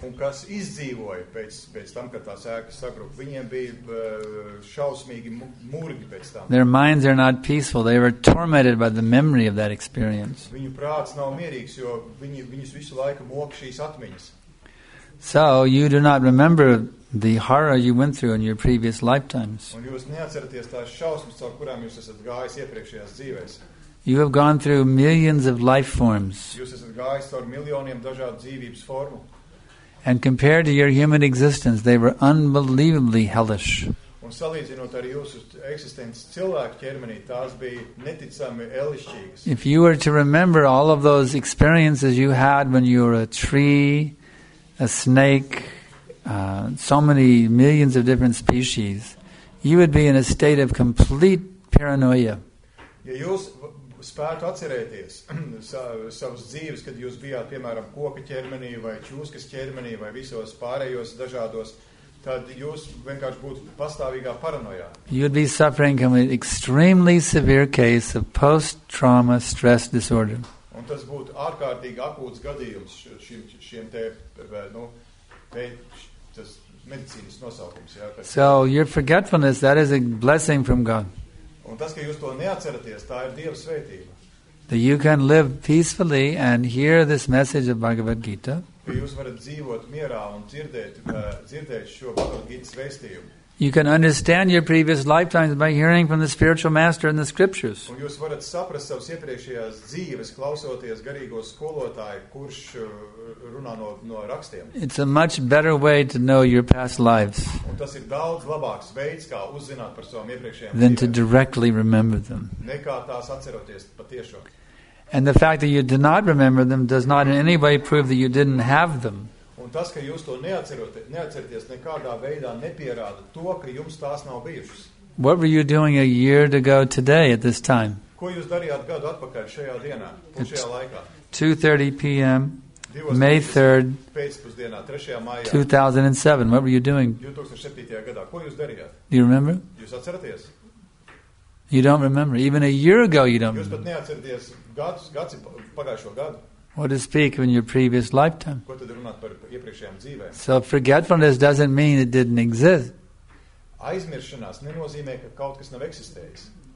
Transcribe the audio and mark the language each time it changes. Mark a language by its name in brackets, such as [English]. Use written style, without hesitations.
[Latvian] Un kas izdzīvoja pēc tam, kad tās ēkas sagruba. Viņiem bija šausmīgi murgi pēc tam. [English] Their minds are not peaceful. They were tormented by the memory of that experience. [Latvian] Viņu prāts nav mierīgs, jo viņus visu laiku mok šīs atmiņas. [English] So you do not remember the horror you went through in your previous lifetimes. [Latvian] Un jūs neatceraties tās šausmas, caur kurām jūs esat gājis iepriekšējās dzīvēs. [English] You have gone through millions of life forms. [Latvian] Jūs esat gājis caur miljoniem dažādu dzīvības formu. [English] And compared to your human existence, they were unbelievably hellish. [Latvian] Un salīdzinot ar jūsu eksistences cilvēku ķermenī, tās bija neticami elišķīgas. [English] If you were to remember all of those experiences you had when you were a tree, a snake, so many millions of different species, you would be in a state of complete paranoia. [Latvian] Ja jūs spētu atcerēties savas dzīves, kad jūs bijāt, piemēram, koka ķermenī vai čūskas ķermenī vai visos pārējos dažādos, tad jūs vienkārši būtu pastāvīgā paranoijā. [English] You would be suffering from an extremely severe case of post-trauma stress disorder. [Latvian] Un tas būtu ārkārtīgi akūts gadījums šiem te, nu, tas medicīnas nosaukums, jā. [English] So, your forgetfulness, that is a blessing from God. [Latvian] Un tas, ka jūs to neatceraties, tā ir Dieva svētība. [English] That you can live peacefully and hear this message of Bhagavad Gita. [Latvian] Ka jūs varat dzīvot mierā un dzirdēt šo Bhagavad Gita svēstījumu. [English] You can understand your previous lifetimes by hearing from the spiritual master in the scriptures. [Latvian] Un jūs varat saprast savas iepriekšējās dzīves, klausoties garīgo skolotāju, kurš runā no rakstiem. [English] It's a much better way to know your past lives. [Latvian] Un tas ir daudz labāks veids, kā uzzināt par savām iepriekšējām dzīvēm. [English] Than to directly remember them. [Latvian] Nekā tās atceroties patiešo. [English] And the fact that you did not remember them does not in any way prove that you didn't have them. [Latvian] Un tas, ka jūs to neatceraties nekādā veidā nepierāda to, ka jums tās nav bijušas. [English] What were you doing a year ago today at this time? [Latvian] Ko jūs darījāt gadu atpakaļ šajā dienā, un šajā laikā? [English] 2:30 p.m. May 3rd. [Latvian] Pēcpusdienā 3. maijā. [English] 2007. What were you doing? [Latvian] 2007. gadā. Ko jūs darījāt? [English] Do you remember? [Latvian] Jūs atceraties? [English] You don't remember. Even a year ago you don't. [Latvian] Jūs pat neatceraties gadu pagājušo gadu. [English] What to speak in your previous lifetime? [Latvian] Ko tad runāt par iepriekšējām dzīvēm? [English] So forgetfulness doesn't mean it didn't exist. [Latvian] Aizmiršanās nenozīmē, ka kaut kas nav eksistējis.